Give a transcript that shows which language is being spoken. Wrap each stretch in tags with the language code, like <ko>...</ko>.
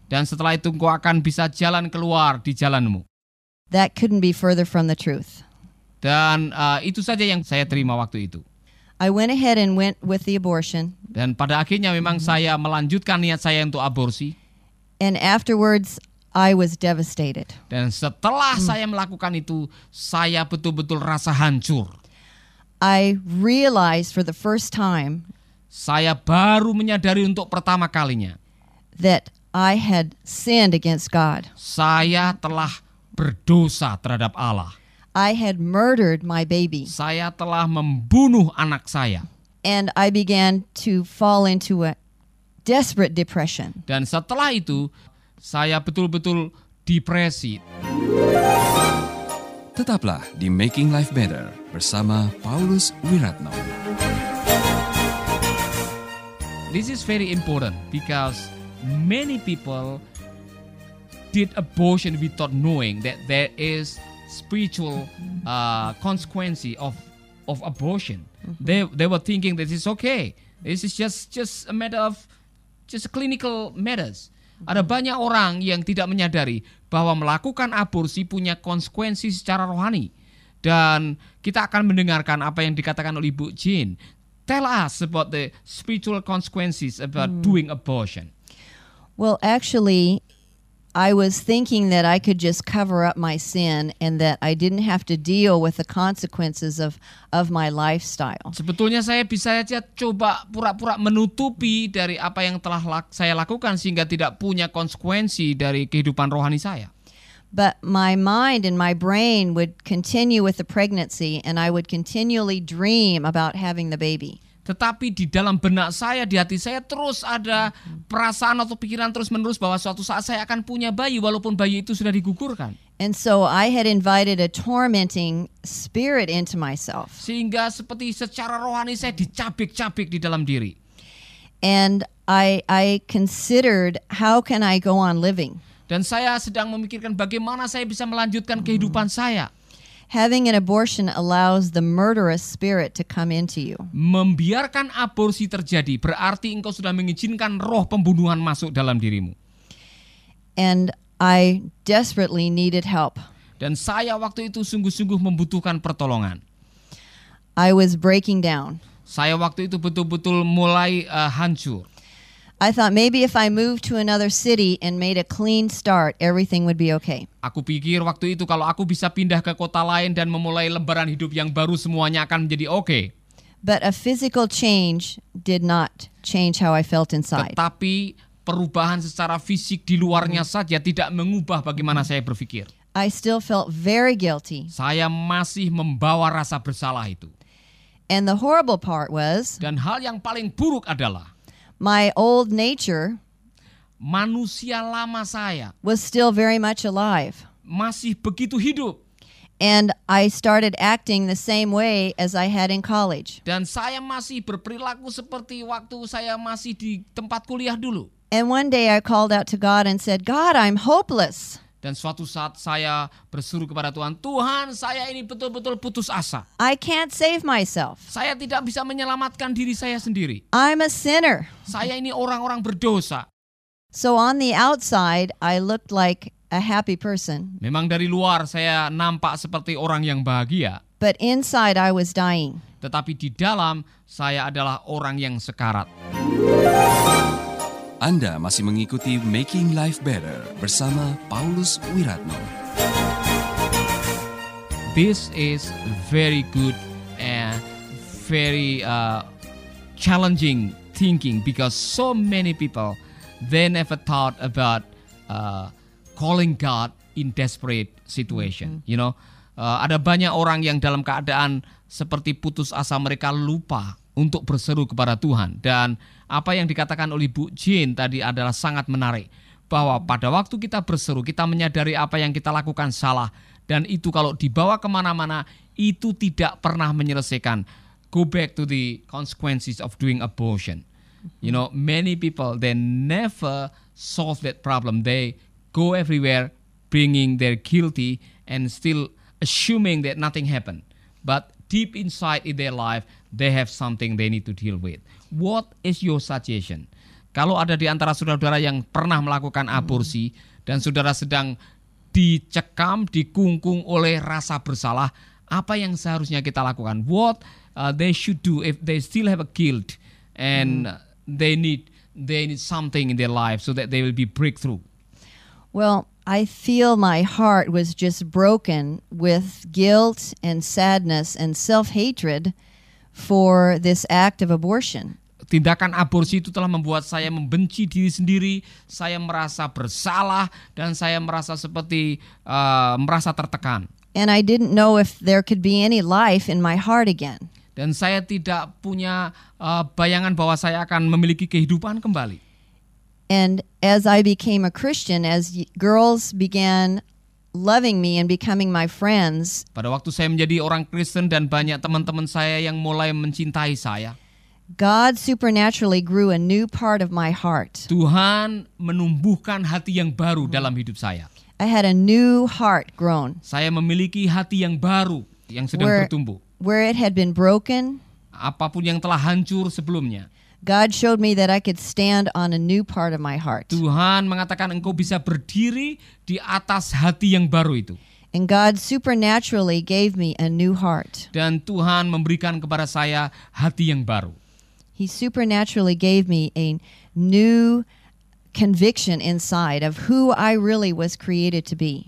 <id>Dan setelah itu engkau akan bisa jalan keluar di jalanmu.</id> <en>That couldn't be further from the truth.</en> <id>Dan itu saja yang saya terima waktu itu.</id> <en>I went ahead and went with the abortion.</en> <id>Dan pada akhirnya memang saya melanjutkan niat saya untuk aborsi.</id> <en>And afterwards I was devastated.</en> <id>Dan setelah saya melakukan itu, saya betul-betul rasa hancur.</id> <en>I realized for the first time.</en> <id>Saya baru menyadari untuk pertama kalinya.</id> <en>That I had sinned against God.</en> <id>Saya telah berdosa terhadap Allah.</id> <en>I had murdered my baby.</en> <id>Saya telah membunuh anak saya.</id> <en>And I began to fall into a desperate depression.</en> <id>Dan setelah itu, saya betul-betul depresi. Tetaplah di Making Life Better bersama Paulus Wiratno.</id> <en>This is very important because many people did abortion without knowing that there is spiritual consequence of abortion. They were thinking that it's okay. This is just a matter of just clinical matters.</en> <id>Ada banyak orang yang tidak menyadari bahwa melakukan aborsi punya konsekuensi secara rohani. Dan kita akan mendengarkan apa yang dikatakan oleh Ibu Jean.</id> <en>Tell us about the spiritual consequences about doing abortion. Well, actually, I was thinking that I could just cover up my sin and that I didn't have to deal with the consequences of my lifestyle.</en> <id>Sebetulnya saya bisa saja coba pura-pura menutupi dari apa yang telah saya lakukan sehingga tidak punya konsekuensi dari kehidupan rohani saya.</id> <en>But my mind and my brain would continue with the pregnancy and I would continually dream about having the baby.</en> <id>Tetapi di dalam benak saya, di hati saya terus ada perasaan atau pikiran terus-menerus bahwa suatu saat saya akan punya bayi walaupun bayi itu sudah digugurkan.</id> <en>And so I had invited a tormenting spirit into myself.</en> <id>Sehingga seperti secara rohani saya dicabik-cabik di dalam diri.</id> <en>And I considered how can I go on living?</en> <id>Dan saya sedang memikirkan bagaimana saya bisa melanjutkan kehidupan saya.</id> <en>Having an abortion allows the murderous spirit to come into you.</en> <id>Membiarkan aborsi terjadi berarti engkau sudah mengizinkan roh pembunuhan masuk dalam dirimu.</id> <en>And I desperately needed help.</en> <id>Dan saya waktu itu sungguh-sungguh membutuhkan pertolongan.</id> <en>I was breaking down.</en> <id>Saya waktu itu betul-betul mulai hancur.</id> <en>I thought maybe if I moved to another city and made a clean start, everything would be okay.</en> <id>Aku pikir waktu itu kalau aku bisa pindah ke kota lain dan memulai lembaran hidup yang baru, semuanya akan menjadi okay.</id> <en>But a physical change did not change how I felt inside.</en> <id>Tetapi perubahan secara fisik di luarnya saja tidak mengubah bagaimana saya berpikir.</id> <en>I still felt very guilty.</en> <id>Saya masih membawa rasa bersalah itu.</id> <en>And the horrible part was.</en> <id>Dan hal yang paling buruk adalah.</id> <en>My old nature,</en> <id>manusia lama saya,</id> <en>was still very much alive.</en> <id>Masih begitu hidup.</id> <en>And I started acting the same way as I had in college.</en> <id>Dan saya masih berperilaku seperti waktu saya masih di tempat kuliah dulu.</id> <en>And one day I called out to God and said, God, I'm hopeless.</en> <id>Dan suatu saat saya berseru kepada Tuhan, Tuhan, saya ini betul-betul putus asa.</id> <en>I can't save myself.</en> <id>Saya tidak bisa menyelamatkan diri saya sendiri.</id> <en>I'm a sinner.</en> <id>Saya ini orang-orang berdosa.</id> <en>So on the outside, I looked like a happy person.</en> <id>Memang dari luar saya nampak seperti orang yang bahagia.</id> <en>But inside I was dying.</en> <id>Tetapi di dalam saya adalah orang yang sekarat. Anda masih mengikuti Making Life Better bersama Paulus Wiratno.</id> <en>This is very good and very challenging thinking because so many people, they never thought about calling God in desperate situation. You know,</en> <id>ada banyak orang yang dalam keadaan seperti putus asa mereka lupa untuk berseru kepada Tuhan. Dan apa yang dikatakan oleh Bu Jean tadi adalah sangat menarik, bahwa pada waktu kita berseru, kita menyadari apa yang kita lakukan salah, dan itu kalau dibawa kemana-mana, itu tidak pernah menyelesaikan.</id> <en>Go back to the consequences of doing abortion. You know, many people, they never solve that problem. They go everywhere bringing their guilty and still assuming that nothing happened. But deep inside in their life, they have something they need to deal with. What is your suggestion?</en> <id>Kalau ada di antara saudara-saudara yang pernah melakukan aborsi dan saudara sedang dicekam, dikungkung oleh rasa bersalah, apa yang seharusnya kita lakukan?</id> <en>What they should do if they still have a guilt and they need something in their life so that they will be breakthrough? Well, I feel my heart was just broken with guilt and sadness and self-hatred for this act of abortion.</en> <id>Tindakan aborsi itu telah membuat saya membenci diri sendiri, saya merasa bersalah, dan saya merasa seperti merasa tertekan.</id> <en>And I didn't know if there could be any life in my heart again.</en> <id>Dan saya tidak punya bayangan bahwa saya akan memiliki kehidupan kembali.</id> <en>And as I became a Christian, as girls began loving me and becoming my friends.</en> <id>Pada waktu saya menjadi orang Kristen dan banyak teman-teman saya yang mulai mencintai saya,</id> <en>God supernaturally grew a new part of my heart.</en> <id>Tuhan menumbuhkan hati yang baru dalam hidup saya.</id> <en>I had a new heart grown.</en> <id>Saya memiliki hati yang baru yang sedang bertumbuh.</id> <en>Where it had been broken.</en> <id>Apapun yang telah hancur sebelumnya.</id> <en>God showed me that I could stand on a new part of my heart.</en> <id>Tuhan mengatakan engkau bisa berdiri di atas hati yang baru itu.</id> <en>And God supernaturally gave me a new heart.</en> <id>Dan Tuhan memberikan kepada saya hati yang baru.</id> <en>He supernaturally gave me a new conviction inside of who I really was created to be.</en>